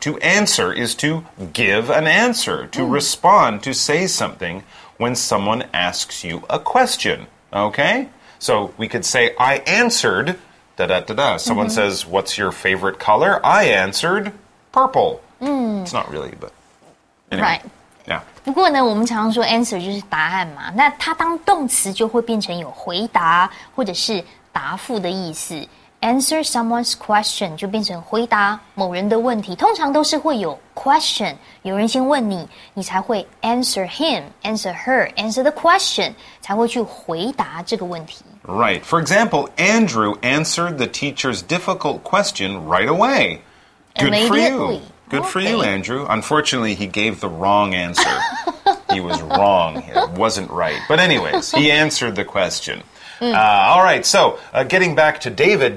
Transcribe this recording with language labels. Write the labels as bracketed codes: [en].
[en] To answer is to give an answer, to respond, to say something when someone asks you a question. Okay? So we could say, I answered, da-da-da-da. Someone says, what's your favorite color? I answered, purple. It's not really, but... Anyway, right. Yeah. [zh] 不过呢，我们常常说 answer 就是答案嘛。那它当动词就会变成有回答或者是答复的意思。 [en] Answer someone's question [zh] 就变成回答某人的问题。通常都是会有 question， 有人先问你，你才会 [en] answer him, answer her, answer the question， [zh] 才会去回答这个问题。 [en] Right. For example, Andrew answered the teacher's difficult question right away. Good for you. Good for you, Andrew. Unfortunately, he gave the wrong answer. He was wrong. It wasn't right. But anyways, he answered the question. All right, so getting back to David.